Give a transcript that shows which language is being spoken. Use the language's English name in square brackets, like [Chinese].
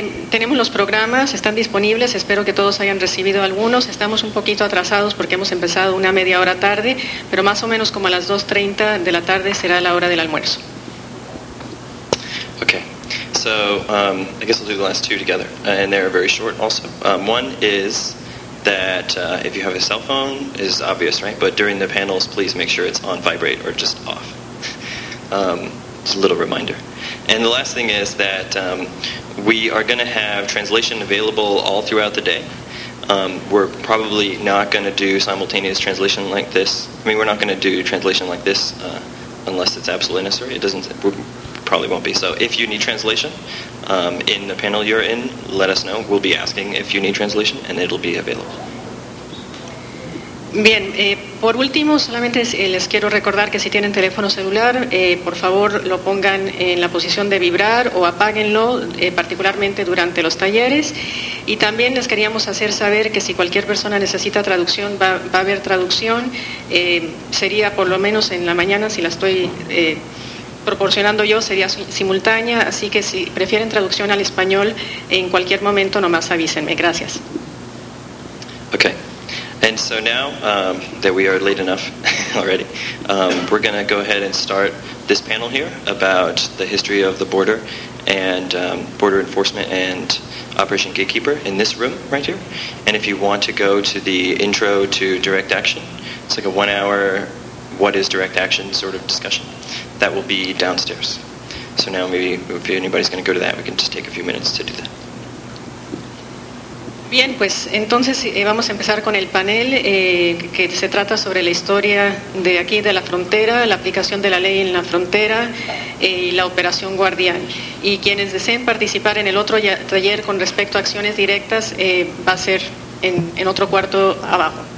[Spanish] Tenemos los programas, están disponibles, espero que todos hayan recibido algunos. Estamos un poquito atrasados porque hemos empezado una media hora tarde, pero más o menos como a las 2:30 de la tarde será la hora del almuerzo. [English] Okay. So I guess I'll do the last two together, and they're very short also. One is that if you have a cell phone, is obvious, right? But during the panels, please make sure it's on vibrate or just off. It's a little reminder. And the last thing is that we are going to have translation available all throughout the day. We're probably not going to do simultaneous translation like this. I mean, we're not going to do translation like this unless it's absolutely necessary. Probably won't be. So if you need translation in the panel you're in, let us know. We'll be asking if you need translation and it'll be available. [Spanish] Bien, por último, solamente les quiero recordar que si tienen teléfono celular, por favor lo pongan en la posición de vibrar o apáguenlo, particularmente durante los talleres. Y también les queríamos hacer saber que si cualquier persona necesita traducción, va a haber traducción. Sería por lo menos en la mañana, si la estoy proporcionando yo, sería simultánea, así que si prefieren traducción al español, en cualquier momento nomás avísenme. Gracias. [English] Okay. And so now that we are late enough already, we're going to go ahead and start this panel here about the history of the border and border enforcement and Operation Gatekeeper in this room right here. And if you want to go to the intro to direct action, it's like a 1 hour what is direct action sort of discussion. That will be downstairs. So now maybe if anybody's going to go to that, we can just take a few minutes to do that. [Spanish] Bien, pues entonces vamos a empezar con el panel que se trata sobre la historia de aquí de la frontera, la aplicación de la ley en la frontera y la operación Guardián. Y quienes deseen participar en el otro taller con respecto a acciones directas va a ser en otro cuarto abajo.